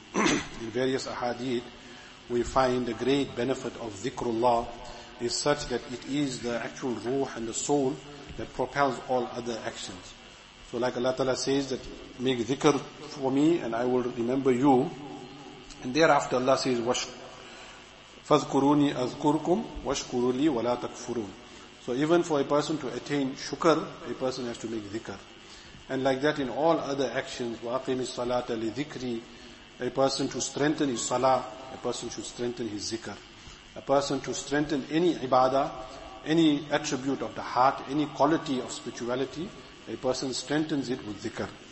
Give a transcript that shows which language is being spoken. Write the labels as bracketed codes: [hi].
[en] In various ahadith, we find the great benefit of dhikrullah is such that it is the actual ruh and the soul that propels all other actions. So like Allah Ta'ala says that, make dhikr for me and I will remember you. And thereafter Allah says, [ar] فَذْكُرُونِي أَذْكُرُكُمْ وَشْكُرُونِي وَلَا تَكْفُرُونَ. [en] So even for a person to attain shukr, a person has to make dhikr. And like that in all other actions, [ar] وَأَقِمِ الصَّلَاةَ لِذِكْرِ, [en] a person to strengthen his salah, a person should strengthen his zikr. A person to strengthen any ibadah, any attribute of the heart, any quality of spirituality, a person strengthens it with dhikr.